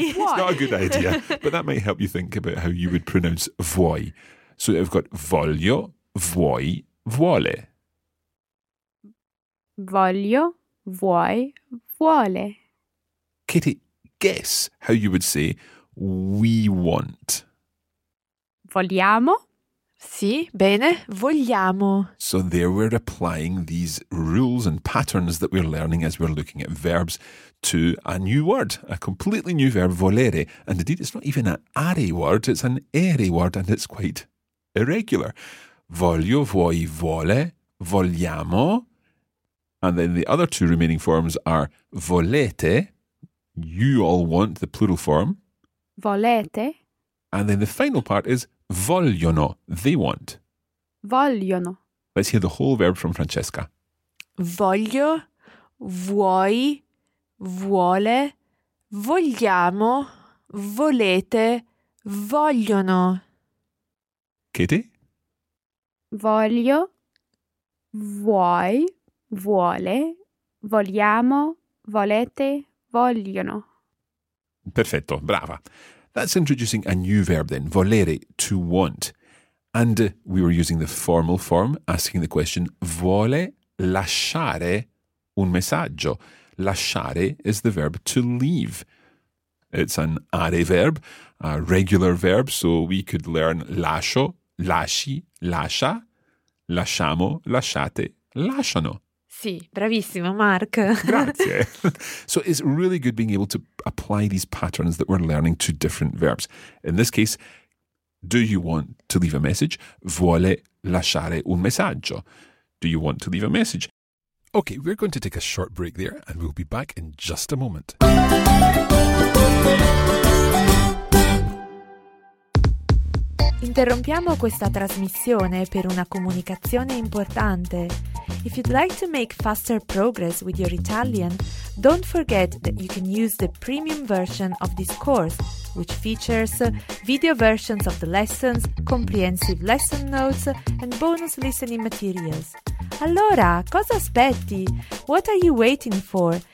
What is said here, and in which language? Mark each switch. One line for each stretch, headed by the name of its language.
English: It's not a good idea, but that might help you think about how you would pronounce vuoi. So I've got
Italian: voglio, vuoi, vuole. Voglio, vuoi, vuole.
English: Katie, guess how you would say we want.
Italian: Vogliamo. Sì, bene, vogliamo.
English: So there we're applying these rules and patterns that we're learning as we're looking at verbs to a new word, a completely new verb, volere. And indeed, it's not even an are word, it's an ere word, and it's quite irregular.
Italian: Voglio, vuoi, vuole, vogliamo.
English: And then the other two remaining forms are volete, you all want, the plural form.
Italian: Volete.
English: And then the final part is vogliono, they want.
Italian: Vogliono.
English: Let's hear the whole verb from Francesca.
Italian: Voglio, vuoi, vuole, vogliamo, volete, vogliono.
English: Katie?
Italian: Voglio, vuoi, vuole, vogliamo, volete, vogliono. Perfetto, brava.
English: That's introducing a new verb then, volere, to want. And we were using the formal form, asking the question,
Italian: vuole lasciare un messaggio.
English: Lasciare is the verb to leave. It's an are verb, a regular verb, so we could learn
Italian: lascio, lasci, lascia, lasciamo, lasciate, lasciano. Sì, bravissimo, Mark. Grazie.
English: So it's really good being able to apply these patterns that we're learning to different verbs. In this case, do you want to leave a message?
Italian: Vuole lasciare un messaggio.
English: Do you want to leave a message? Okay, we're going to take a short break there and we'll be back in just a moment.
Italian: Interrompiamo questa trasmissione per una comunicazione importante.
English: If you'd like to make faster progress with your Italian, don't forget that you can use the premium version of this course, which features video versions of the lessons, comprehensive lesson notes, and bonus listening materials.
Italian: Allora, cosa aspetti?
English: What are you waiting for?